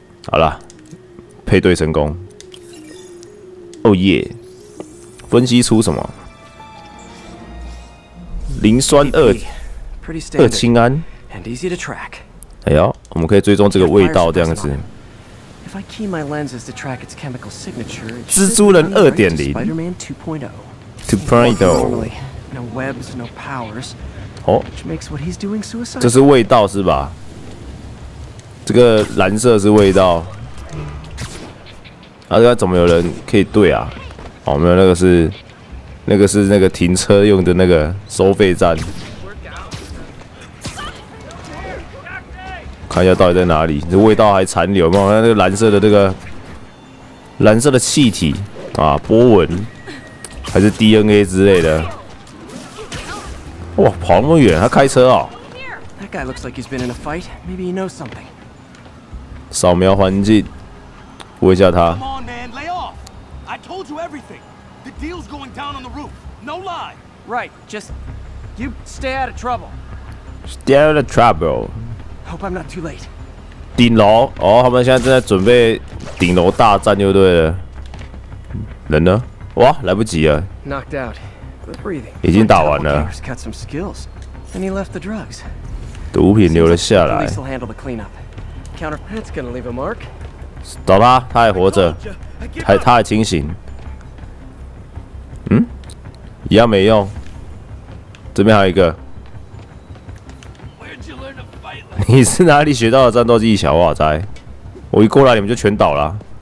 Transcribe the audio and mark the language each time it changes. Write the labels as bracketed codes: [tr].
[zh] 好了，配对成功。哦耶！分析出什么？磷酸二氢胺。 [en] And easy to track. [zh] 哎呦，我们可以追踪这个味道这样子。 [en] If I key my lenses to track its chemical signature, [zh] 蜘蛛人2.0。 [en] Spider-Man 2.0. 2.0. No webs, no powers. [zh] 哦。 [en] Which makes what he's doing suicide. [zh] 这是味道是吧？这个蓝色是味道，啊，这个怎么有人可以对啊？哦，没有，那个是那个停车用的那个收费站，看一下到底在哪里？这味道还残留吗？那个蓝色的那个蓝色的气体啊，波纹还是 DNA 之类的？哇，跑那么远，他开车哦。 [en] That guy looks like he's been in a fight. Maybe he knows something. [zh] 扫描环境，问一下他。 [en] Come on, man, lay off. I told you everything. The deal's going down on the roof. No lie. Right. Just you stay out of trouble. Stay out of trouble. Hope I'm not too late. [zh] 顶楼哦，他们现在正在准备顶楼大战，就对了。人呢？哇，来不及了。 [en] Knocked out. Good breathing. [zh] 已经打完了。 [en] He's got some skills. And he left the drugs. [zh] 毒品留了下来。 [en] Police will handle the cleanup. That's gonna leave a mark. [zh] 走吧，他还活着，他还清醒。嗯，一样没用。这边还有一个。你是哪里学到的战斗技巧？哇塞！我一过来，你们就全倒了。